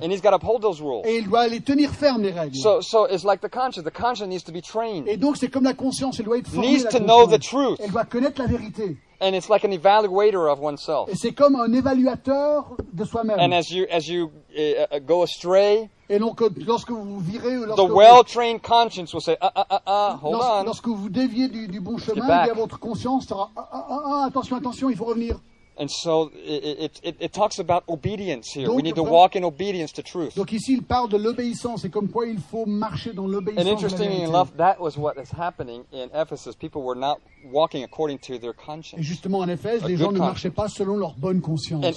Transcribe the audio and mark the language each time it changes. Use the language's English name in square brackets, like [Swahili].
[English] And he's gotta uphold those rules. [French] Et il doit les tenir fermes les règles. [English] So it's like the conscience. The conscience needs to be trained. [French] Et donc c'est comme la conscience, elle doit être formée. [English] Needs to know the truth. [French] Elle doit connaître la vérité. [English] And it's like an evaluator of oneself. [French] Et c'est comme un évaluateur de soi-même. [English] And as you go astray. [French] Et donc lorsque vous virez, [English] the well-trained conscience will say, hold on. [French] Lorsque vous déviez du bon chemin, bien votre conscience sera, attention, il faut revenir. [English] And so it talks about obedience here. We need to walk in obedience to truth. [French] Donc ici il parle de l'obéissance et comme quoi il faut marcher dans l'obéissance. [English] And interestingly enough, that was what is happening in Ephesus. People were not walking according to their conscience. [French] Et justement en Éphèse, les gens ne marchaient pas selon leur bonne conscience.